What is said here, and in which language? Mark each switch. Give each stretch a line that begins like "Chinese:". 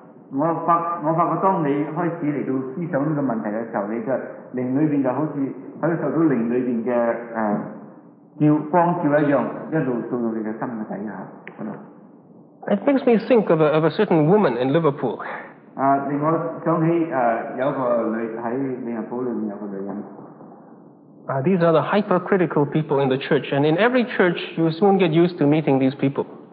Chinese: 我发觉当你开始来到思想这个问题的时候，你的灵里面就好像在受到灵里面的照光照一样，一路照到你的心的底下。
English: It makes me think of a certain woman in Liverpool.
Chinese: 令我想起有个女在利物浦里面有个女人。
English: These are the hypercritical people in the church, and in every church, you soon get used to meeting these people.